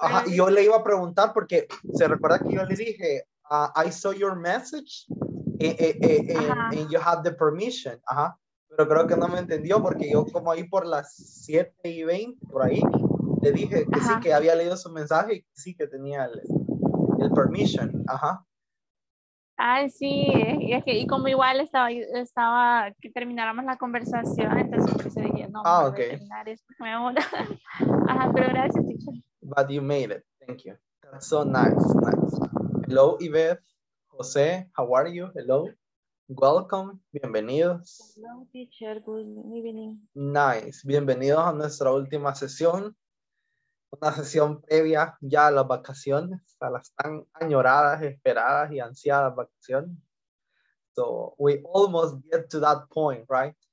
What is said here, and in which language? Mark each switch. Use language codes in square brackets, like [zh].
[es] yo le iba a preguntar porque se recuerda que yo le dije [en] I saw your message and you have the permission, [es] ajá, pero creo que no me entendió porque yo como ahí por las 7:20 por ahí le dije que ajá. Sí, que había leído su mensaje y sí que tenía el permission, ajá. Ah, sí, es que, y como igual estaba que termináramos la conversación, entonces dije, no, ah, okay. Ajá, pero gracias, teacher. [en] But you made it, thank you. That's so nice. Hello, Yvette. José, how are you? Hello. Welcome. Bienvenidos. Hello, teacher. Good evening. [es] Nice. Bienvenidos a nuestra última sesión. Una sesión previa ya a las vacaciones, a las tan añoradas, esperadas y ansiadas vacaciones. [en] So, we almost get to that point, right?